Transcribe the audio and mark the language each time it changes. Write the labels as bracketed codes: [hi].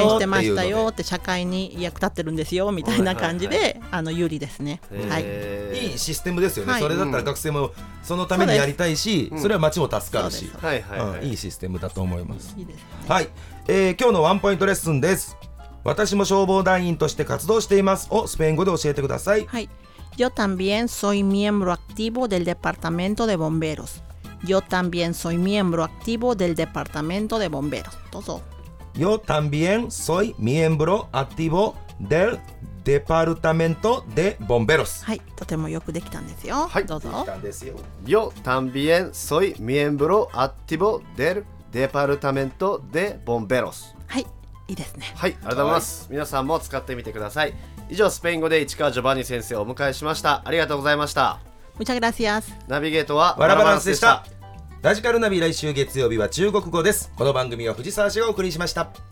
[ja] 貢献してましたよって、社会に役立ってるんですよみたいな感じで、はいはいはい、有利ですね、はい、いいシステムですよね、はい、それだったら学生もそのためにやりたいし、 それは町も助かるし、いいシステムだと思います。いいですね、はい。今日のワンポイントレッスンです。私も消防団員として活動していますをスペイン語で教えてください。はい。 [es] Yo también soy miembro activo del departamento de bomberos. Yo también soy miembro activo del departamento de bomberos. Todo. Yo también soy miembro activo del departamento de bomberos. [ja] はい、とてもよくできたんですよ。はい、どうぞ。できたんですよ。 [es] Yo también soy miembro activo del departamento de bomberos. [ja] はい、いいですね。はい、ありがとうございます。はい、皆さんも使ってみてください。以上、スペイン語で市川ジョバンニ先生をお迎えしました。ありがとうございました。 [es] Muchas gracias。 [ja] ナビゲートはワラバランスでした。ラジカルナビ、来週月曜日は中国語です。この番組は藤沢氏がお送りしました。